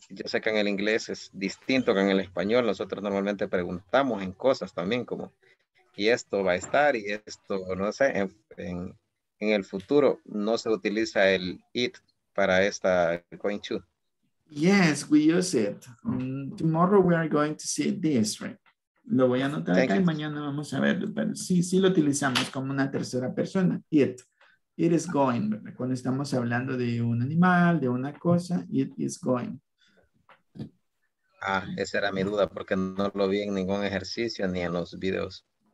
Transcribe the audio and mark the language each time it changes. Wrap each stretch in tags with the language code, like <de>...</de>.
<es>Yo sé que en el inglés es distinto que en el español. Nosotros normalmente preguntamos en cosas también como, ¿y esto va a estar? Y esto, no sé, en el futuro no se utiliza el it para esta going to.</es> <en>Yes, we use it. Tomorrow we are going to see this, right?</en> <es>Lo voy a anotar acá y mañana vamos a verlo. Pero sí, sí lo utilizamos como una tercera persona.</es> <en>It. It is going.</en> <es>¿Verdad? Cuando estamos hablando de un animal, de una cosa,</es> <en>it is going.</en> <es>Ah, esa era mi duda porque no lo vi en ningún ejercicio ni en los videos.</es>